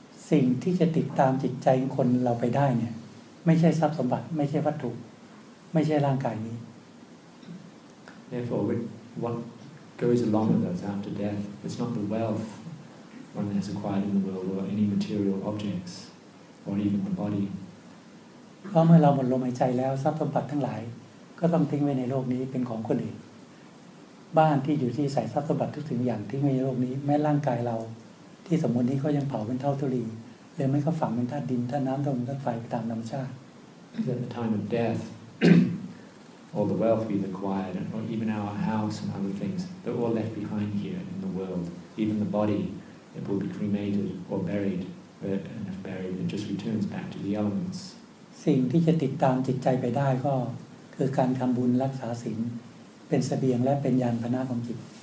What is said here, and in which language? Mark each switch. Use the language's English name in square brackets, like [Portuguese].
[Thai] สิ่งที่จะติดตามจิตใจคนเราไปได้เนี่ยไม่ใช่ทรัพย์สมบัติไม่ใช่วัตถุไม่ใช่ร่างกายนี้ [English] Therefore, what goes along with us after death, it's not the wealth one has acquired in the world or any material objects or even the body. [Thai] เพราะเมื่อเราหมดลมหายใจแล้วทรัพย์สมบัติทั้งหลายก็ต้องทิ้งไว้ในโลกนี้เป็นของคนอื่นบ้านที่อยู่ที่ใส่ทรัพย์สมบัติทุกสิ่งอย่างทิ้งไว้ในโลกนี้แม้ร่างกายเราที่สมมตินี้ก็ยังเผาเป็นเท่าธุลีเลยไม่ก็ฝังเป็นธาตุดินธาตุน้ำธาตุลมธาตุไฟตามธรรมชาติ [English] At the time of death all the wealth we've acquired and even our house and other things they're all left behind here in the world even the body it will be cremated or buried and if buried it just returns back to the elements [Thai] สิ่งที่จะติดตามจิตใจไปได้ก็คือการทำบุญรักษาศีลเป็นเสบียงและเป็นยานพาหนะของจิต